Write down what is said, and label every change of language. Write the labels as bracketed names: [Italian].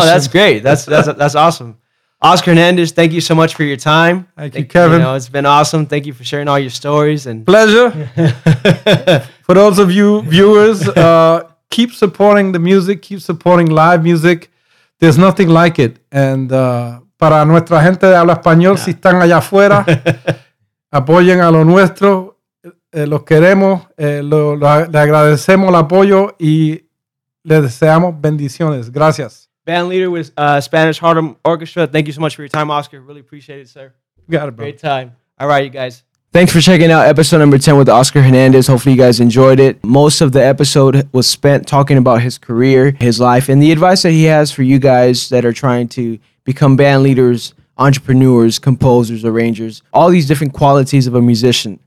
[English] No, that's great. That's awesome. Oscar Hernandez, thank you so much for your time. Thank you, Kevin. You know, it's been awesome. Thank you for sharing all your stories. And pleasure. For those of you viewers, keep supporting the music. Keep supporting live music. There's nothing like it. [Spanish] And para nuestra gente de habla español, si están allá afuera, apoyen a lo nuestro. Los queremos, le agradecemos el apoyo y le deseamos bendiciones. Gracias. [English] Band leader with Spanish Harlem Orchestra. Thank you so much for your time, Oscar. Really appreciate it, sir. Got it, bro. Great time. All right, you guys. Thanks for checking out episode number 10 with Oscar Hernandez. Hopefully you guys enjoyed it. Most of the episode was spent talking about his career, his life, and the advice that he has for you guys that are trying to become band leaders, entrepreneurs, composers, arrangers, all these different qualities of a musician.